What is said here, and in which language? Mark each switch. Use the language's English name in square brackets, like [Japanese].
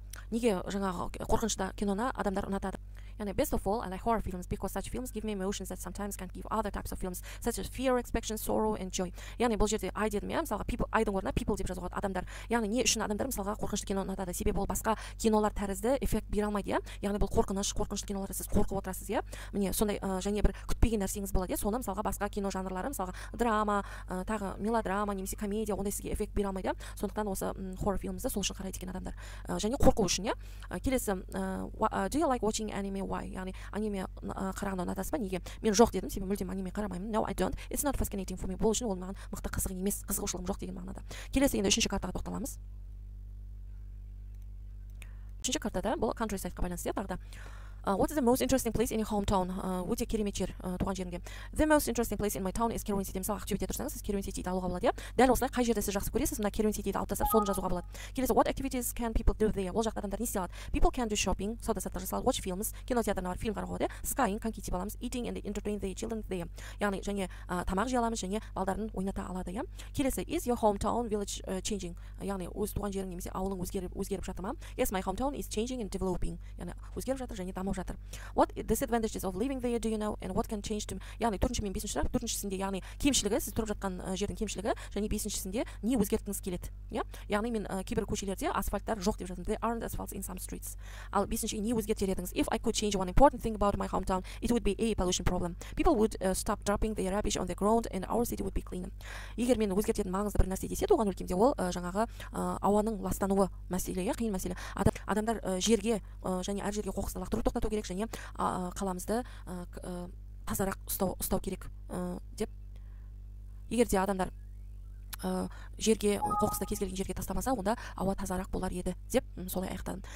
[Kazakh] Неге жаңағы қорқынышты кинона адамдар ұнатады? [English] And best of all, I like horror films because such films give me emotions that sometimes can't give other types of films, such as fear, expectation, sorrow, and joy. [Kazakh] Яғни бұл жерде I дедім, иә, мысалға people, I-дың орнына people деп жазуға адамдар. Яғни не үшін адамдар мысалға қорқынышты кино ұнатады? Себебі ол басқа кинолар тәрізді эффект бере алмайды, иә? Яғни бұл қорқынышты киноларда сіз қорқып отырасыз, иә? Міне, сондай және бір күтпеген нәрсеңіз болады, иә? Соны мысалға басқа кино жанрлары, мысалға драма, тағы мелодрама немесе комедия ондай сізге эффект бере алмайды, иә? Сондықтан осы horror filmді сол үшін қарайды екен адамдар. Және қорқу үшін, иә? Келесі, [English] do you like watching anime? why. [Kazakh] Яғни аниме қарағанда ұнатасың ба? Неге? Мен жоқ дедім, себебі мүлдем аниме қарамаймын. [English] No, I don't. It's not fascinating for me. [Kazakh] Бұл үшін ол маған мықты қызық емес, қызығушылығым жоқ деген мағынада. Келесі, енді үшінші картаға тоқталамыз. Үшінші картада бұл countryside-қа байланысты тағы да. [English] What is the most interesting place in your hometown? [Kazakh] Өте керемет жер туған жеріңде. [English] The most interesting place in my town is Kerwin City. [Kazakh] Мысалы, Ақтөбеде тұрсаңыз, сіз Kerwin City-ді алуға болады. Дәл осылай, қай жерді сіз жақсы көресіз, мына Kerwin City-ді алып тастап, соны жазуға болады. Келесі, [English] what activities can people do there? [Kazakh] Ол жақта адамдар не істей алады? [English] People can do shopping, [Kazakh] сауда саттық жасалады, [English] watch films, [Kazakh] кинотеатрына барып фильм қарауға болады. [English] Skiing, [Kazakh] коньки тебе аламыз, [English] eating and entertain the children there. [Kazakh] Яғни, және тамақ жей аламыз, және балдарын ойната алады, иә. Келесі, [English] is your hometown village changing? [Kazakh] Яғни, өз туған жерің немесе ауылың өзгеріп жатыр ма? [English] Yes, my hometown is changing and developing. [Kazakh] Яғни, өзгеріп жатыр және дамып жатыр. [English] What the disadvantages of living there do you know and what can change to? [Kazakh] Яғни, 4-ші мен 5-ші, 4-шісінде, яғни, кемшілігі, сіз тұрып жатқан жердің кемшілігі және 5-шісінде не өзгерткіңіз келеді, иә? Яғни, мен кейбір көшелерде асфальттар жоқ деп жатам. [English] There aren't asphalts in some streets. [Kazakh] Ал 5-шіге не өзгертер едіңіз? [English] If I could change one important thing about my hometown, it would be a pollution problem. People would stop dropping their rubbish on the ground and our city would be cleaner. [Kazakh] Егер мен өзгертетін маңызды бір нәрсе десе, оған өлкемде ол жаңағы ауаның ластануы мәселе, иә, қиын мәселе. Адамдар жерге және әр жерге қоқысты лақтыру тоқтату керек және қаламызды тазарақ ұстау керек деп. Егер де адамдар жерге қоқысты кез келген жерге тастамаса, онда ауа тазарақ болар еді деп солай аяқтадым.